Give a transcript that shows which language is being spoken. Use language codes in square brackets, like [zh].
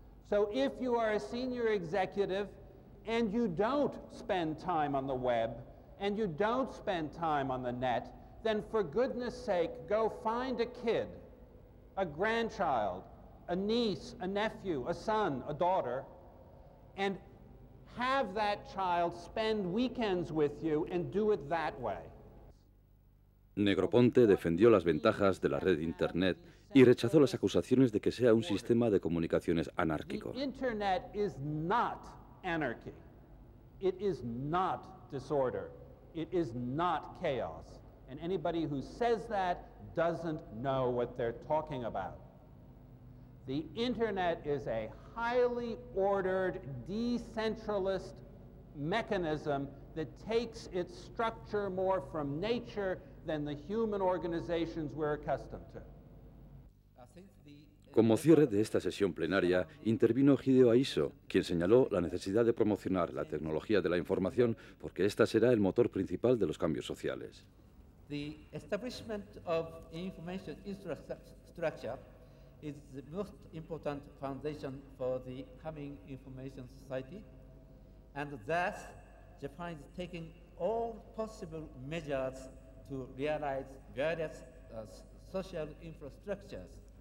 [en] So if you are a senior executive and you don't spend time on the web and you don't spend time on the net, then for goodness sake, go find a kid, a grandchild, a niece, a nephew, a son, a daughter, and have that child spend weekends with you and do it that way. [es] Negroponte defendió las ventajas de la red internet y rechazó las acusaciones de que sea un sistema de comunicaciones anárquico. [en] Internet is not anarchy. It is not disorder. It is not chaos. And anybody who says that doesn't know what they're talking about. The internet is a highly ordered, decentralist mechanism that takes its structure more from nature than the human organizations we're accustomed to. [es] Como cierre de esta sesión plenaria, intervino Hideo Aiso, quien señaló la necesidad de promocionar la tecnología de la información porque esta será el motor principal de los cambios sociales. [en] The establishment of information infrastructure is the most important foundation for the coming information society, and thus Japan is taking all possible measures to realize various social infrastructures.